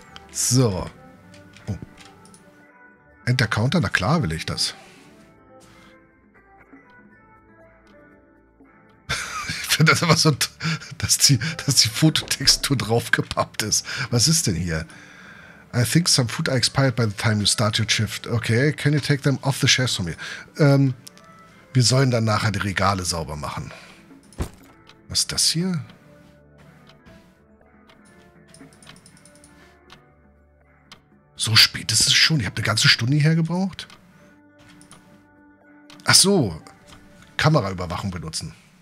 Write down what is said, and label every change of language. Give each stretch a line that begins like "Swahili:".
German: So. Oh. Enter Counter? Na klar will ich das. Das ist aber so, dass die Fototextur draufgepappt ist. Was ist denn hier?
English: I think some food are expired by the time you start your shift. Okay, can you take them off the shelves from here?
German: Wir sollen dann nachher die Regale sauber machen. Was ist das hier? So spät ist es schon. Ihr habt eine ganze Stunde hierher gebraucht? Ach so. Kameraüberwachung benutzen.